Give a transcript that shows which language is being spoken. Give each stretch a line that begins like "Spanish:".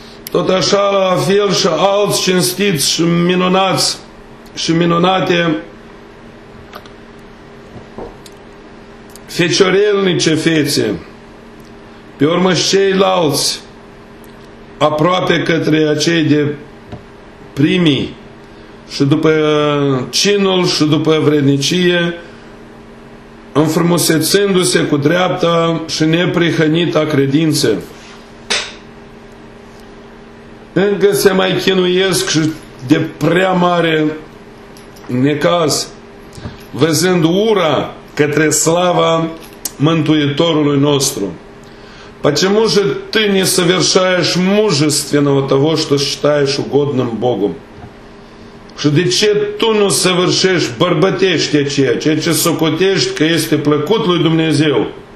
Romanian: Tot așa la fel și alți cinstiți și minunați și minunate feciorelnice fețe, pe urmă și ceilalți, aproape către acei de primii și după cinul și după vrednicie, înfrumusețându-se cu dreapta și neprihănita credință. Încă se mai chinuiesc și de prea mare necaz, văzând ura către slava Mântuitorului nostru.
Russian: Почему же ты не совершаешь мужественного того, что считаешь угодным Богу?
Romanian: Și de ce tu nu săvârșești, bărbătești ceea ce socotești că este plăcut lui Dumnezeu?